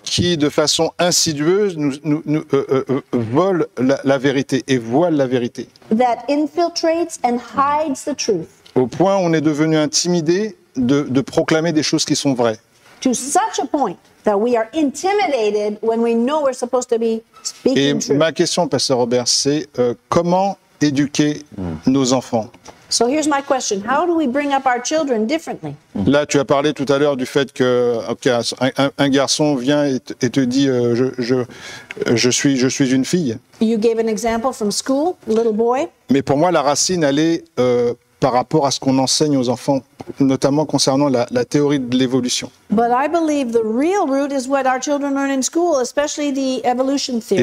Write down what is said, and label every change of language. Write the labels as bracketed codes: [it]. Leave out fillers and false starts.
[fr] Qui, de façon insidieuse, vole la vérité et voile la vérité. [en] That infiltrates and hides the truth. [fr] Au point où on est devenu intimidé de proclamer des choses qui sont vraies. [en] To such a point that we are intimidated when we know we're supposed to be speaking [fr] et [en] truth. [fr] Et ma question, Pasteur Robert, c'est comment éduquer nos enfants. [en] So here's my question. How do we bring up our children differently? [fr] Là, tu as parlé tout à l'heure du fait que un garçon vient et te dit je suis une fille. [en] You gave an example from school, little boy. [fr] Mais pour moi, la racine, elle est par rapport à ce qu'on enseigne aux enfants, notamment concernant la théorie de l'évolution. [en] But I believe the real root is what our children learn in school, especially the evolution theory.